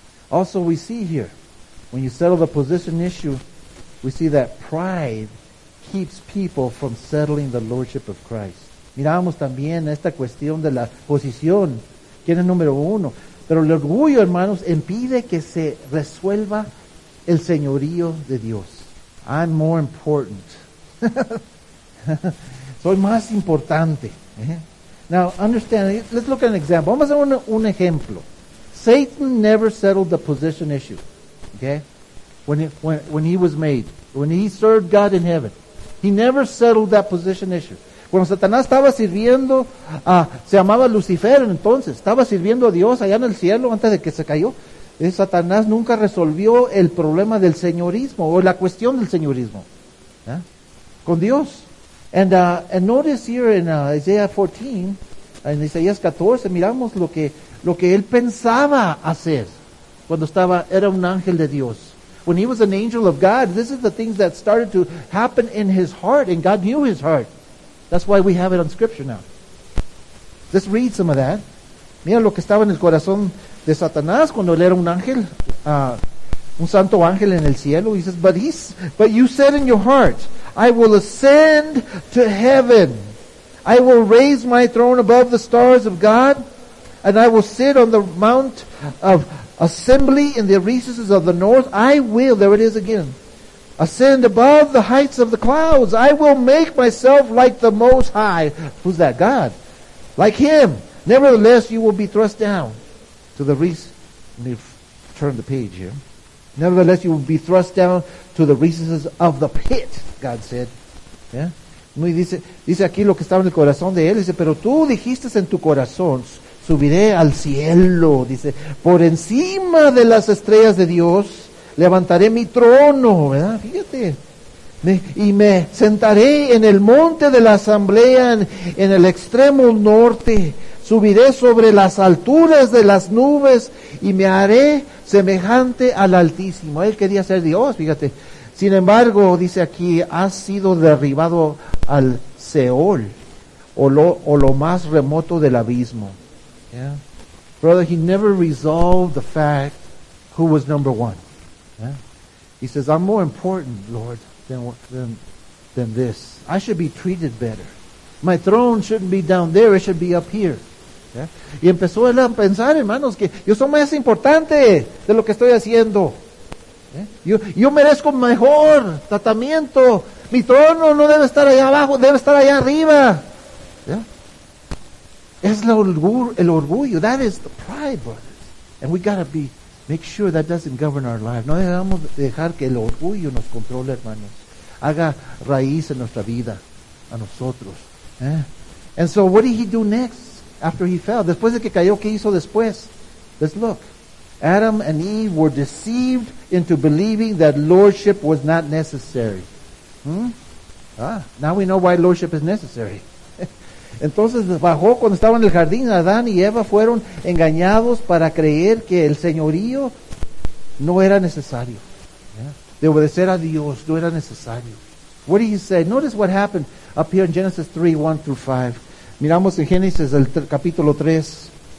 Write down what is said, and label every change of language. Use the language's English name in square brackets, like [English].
[English] Also, we see here, when you settle the position issue, we see that pride keeps people from settling the lordship of Christ. [Spanish] Miramos también esta cuestión de la posición, quién es número uno. Pero el orgullo, hermanos, impide que se resuelva el señorío de Dios. [English] I'm more important. [Spanish] Soy más importante. [English] Now, understand, let's look at an example. [Spanish] Vamos a hacer un ejemplo. [English] Satan never settled the position issue, okay? When he was made, when he served God in heaven, he never settled that position issue. [Spanish] Cuando Satanás estaba sirviendo, se llamaba Lucifer entonces, estaba sirviendo a Dios allá en el cielo antes de que se cayó. Satanás nunca resolvió el problema del señorismo o la cuestión del señorismo, ¿eh? Con Dios. [English] And notice here in Isaiah 14, [Spanish] en Isaías 14, miramos lo que él pensaba hacer cuando estaba, era un ángel de Dios. [English] When he was an angel of God, this is the things that started to happen in his heart, and God knew his heart. That's why we have it on scripture now. Let's read some of that. [Spanish] Mira lo que estaba en el corazón de Satanás cuando él era un ángel, un santo ángel en el cielo. [English] He says, but you said in your heart, I will ascend to heaven. I will raise my throne above the stars of God. And I will sit on the mount of assembly in the recesses of the north. I will, there it is again, ascend above the heights of the clouds. I will make myself like the Most High. Who's that? God. Like Him. Nevertheless, you will be thrust down to the recesses. Let me turn the page here. Nevertheless, you will be thrust down to the recesses of the pit, God said. Yeah? [Spanish] Y dice aquí lo que estaba en el corazón de él. Dice, pero tú dijiste en tu corazón, subiré al cielo. Dice, por encima de las estrellas de Dios, levantaré mi trono. ¿Verdad? Fíjate. Y me sentaré en el monte de la asamblea, en el extremo norte. Subiré sobre las alturas de las nubes y me haré semejante al Altísimo. Él quería ser Dios, fíjate. Sin embargo, dice aquí, has sido derribado al Seol, o lo más remoto del abismo. [English] Yeah. Brother, he never resolved the fact who was number one. Yeah. He says, I'm more important, Lord, than this. I should be treated better. My throne shouldn't be down there, it should be up here. Yeah. [Spanish] Y empezó él a pensar, hermanos, que yo soy más importante de lo que estoy haciendo. Yo merezco mejor tratamiento. Mi trono no debe estar allá abajo, debe estar allá arriba. Yeah. Es el orgullo. [English] That is the pride, brothers. And we gotta make sure that doesn't govern our life. [Spanish] No debemos dejar que el orgullo nos controle, hermanos. Haga raíz en nuestra vida, a nosotros. Yeah. [English] And so, what did he do next after he fell? [Spanish] Después de que cayó, ¿qué hizo después? [English] Let's look. Adam and Eve were deceived into believing that lordship was not necessary. Now we know why lordship is necessary. [Spanish] Entonces bajó cuando estaba en el jardín. Adán y Eva fueron engañados para creer que el señorío no era necesario. Yeah. De obedecer a Dios no era necesario. [English] What do you say? Notice what happened up here in Genesis 3, 1 through 5. [Spanish] Miramos en Génesis el capítulo 3.